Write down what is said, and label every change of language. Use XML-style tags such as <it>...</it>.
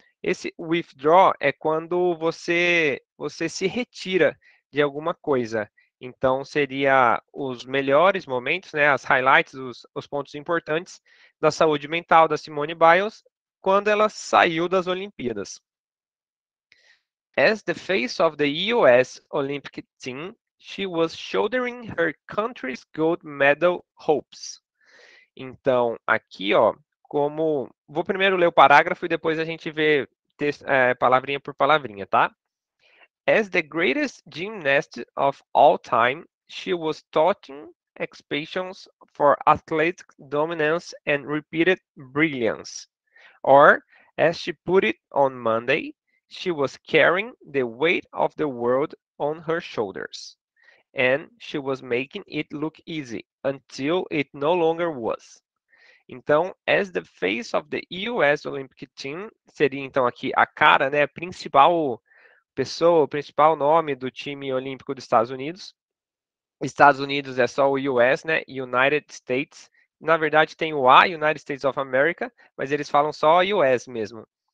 <pt>Esse withdraw é quando você se retira de alguma coisa. Então, seria os melhores momentos, né, as highlights, os pontos importantes da saúde mental da Simone Biles quando ela saiu das Olimpíadas.</pt> <en>As the face of the US Olympic team, she was shouldering her country's gold medal hopes.</en> <pt>Então, aqui, ó, como. Vou primeiro ler o parágrafo e depois a gente vê texto, palavrinha por palavrinha, tá?</pt> <en>As the greatest gymnast of all time, she was touting expectations for athletic dominance and repeated brilliance. Or, as she put it on Monday, she was carrying the weight of the world on her shoulders. And she was making it look easy until it no longer was.</en> <pt>Então,</pt> <en>as the face of the US Olympic team,</en> <pt>seria então aqui a cara, né, principal pessoa, principal nome do time olímpico dos Estados Unidos. Estados Unidos é só o US, né? United States. Na verdade tem o A, United States of America, mas eles falam só US mesmo.</pt>